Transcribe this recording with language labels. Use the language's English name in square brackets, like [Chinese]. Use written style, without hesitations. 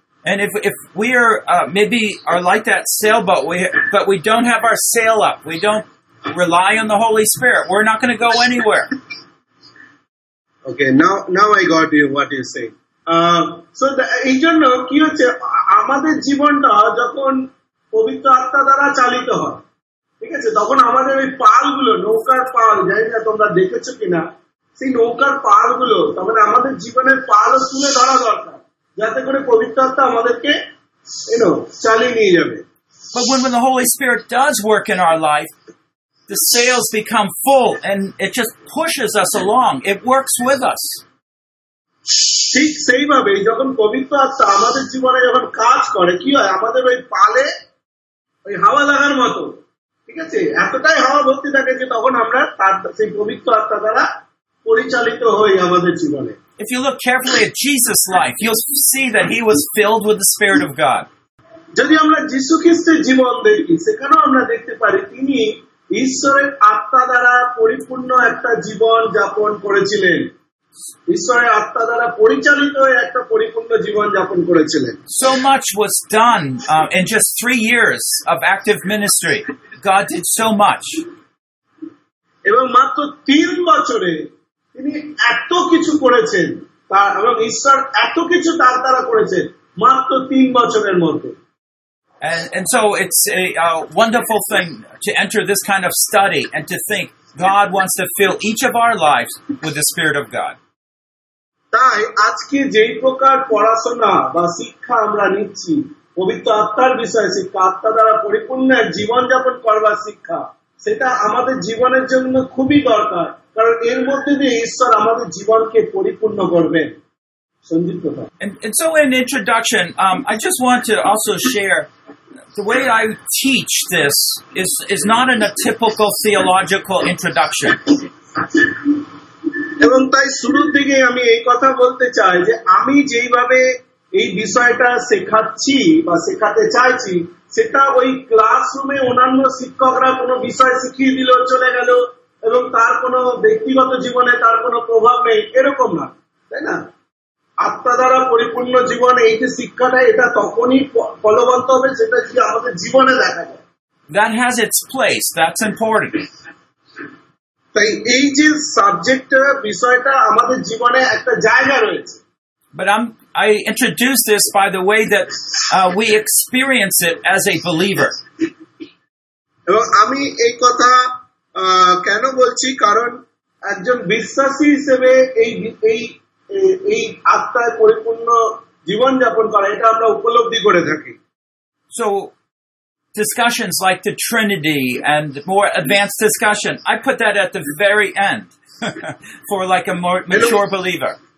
[English] And if we are maybe are like that sailboat, but we don't have our sail up, we don't rely on the Holy Spirit, we're not going to go anywhere. Okay, now I got you what you're saying. [Bangla] So এই জন্য কি হচ্ছে আমাদের জীবনটা যখন পবিত্র আত্মা দ্বারা চালিত হয় ঠিক আছে, তখন আমাদের ওই পালগুলো, নৌকার পাল, জানি না তোমরা দেখেছো কিনা, সেই নৌকার পালগুলো, তখন আমাদের জীবনের পালও তুলে ধরা দরকার, যাতে করে পবিত্র আত্মা আমাদেরকে চালিয়ে নিয়ে যাবে। [English] But when the Holy Spirit does work in our life, the sails become full and it just pushes us along. It works with us. [Bangla] ঠিক সেইভাবে যখন পবিত্র আত্মা আমাদের জীবনে যখন কাজ করে, কি হয়, আমাদের ওই পালে ওই হাওয়া লাগার মতো, ঠিক আছে, এতটাই হাওয়া ভর্তি থাকে যে তখন আমরা সেই পবিত্র আত্মা দ্বারা পরিচালিত হই আমাদের জীবনে। [English] If you look carefully at Jesus' life, you'll see that he was filled with the Spirit of God. [Bangla] যদি আমরা যীশু খ্রিস্টের জীবন দেখি, সেখানেও আমরা দেখতে পারি তিনি ঈশ্বরের আত্মা দ্বারা পরিপূর্ণ একটা জীবন যাপন করেছিলেন, ঈশ্বরের আত্মা দ্বারা পরিচালিত একটা পরিপূর্ণ জীবন যাপন করেছিলেন। [English] So much was done in just 3 years of active ministry. God did so much. [Bangla] এবং মাত্র 3 বছরে তিনি এত কিছু করেছেন, এবং ঈশ্বর এত কিছু তার দ্বারা করেছেন মাত্র 3 বছরের মধ্যে। [English] And so it's a wonderful thing to enter this kind of study and to think God wants to fill each of our lives with the Spirit of God. [Bangla] তাই আজকে যেই প্রকার পড়াশোনা বা শিক্ষা আমরা নিচ্ছি পবিত্র আত্মার বিষয়ে, শিক্ষা আত্মা দ্বারা পরিপূর্ণ জীবন যাপন করবার শিক্ষা, সেটা আমাদের জীবনের জন্য খুবই দরকার, কারণ এর মধ্যে দিয়ে ঈশ্বর আমাদের জীবনকে পরিপূর্ণ করবেন। [English] And so in introduction, I just want to also share the way I teach this is not in a typical theological introduction. [Bangla] এবং তাই শুরুর দিকে আমি এই কথা বলতে চাই যে আমি যেইভাবে এই বিষয়টা শেখাচ্ছি বা শেখাতে চাইছি, সেটা ওই ক্লাসরুমে অন্যান্য শিক্ষকরা কোন বিষয় শিখিয়ে দিল চলে গেল এবং তার কোন ব্যক্তিগত জীবনে তার কোন প্রভাব নেই, এরকম না, তাই না? আত্মা দ্বারা পরিপূর্ণ জীবন এই যে শিক্ষাটা, এটা তখনই ফলবন্ত হবে যেটা কি আমাদের জীবনে দেখা যায়। [English] That has its place, that's important. [Bangla] তাই এই যে সাবজেক্টটা, বিষয়টা আমাদের জীবনে একটা জায়গা রয়েছে। [English] But I introduce this by the way that we experience it as a believer. [Bangla] এবং আমি এই কথা কেন বলছি, কারণ একজন বিশ্বাসী হিসেবে এই এই এই আত্মায় পরিপূর্ণ জীবন যাপন করা, এটা আমরা উপলব্ধি করে থাকি। [English] So discussions like the Trinity and more advanced discussion, I put that at the very end for like a more mature believer.